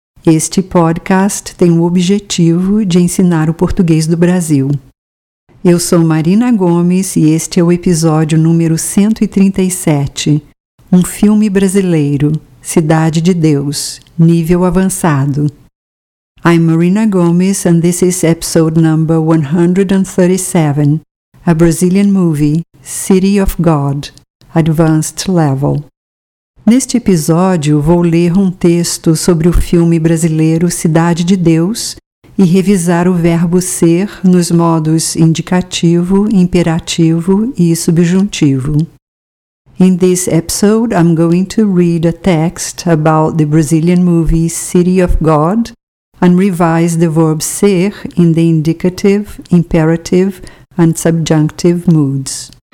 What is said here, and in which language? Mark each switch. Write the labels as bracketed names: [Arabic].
[Portuguese] Este podcast tem o objetivo de ensinar o português do Brasil. Eu sou Marina Gomes e este é o episódio número 137. Um filme brasileiro, Cidade de Deus, nível avançado. [English] I'm Marina Gomes and this is episode number 137, a Brazilian movie, City of God, Advanced Level. [Portuguese] Neste episódio, vou ler um texto sobre o filme brasileiro Cidade de Deus e revisar o verbo ser nos modos indicativo, imperativo e subjuntivo. [English] In this episode, I'm going to read a text about the Brazilian movie City of God and revise the verb ser in the indicative, imperative, and subjunctive moods.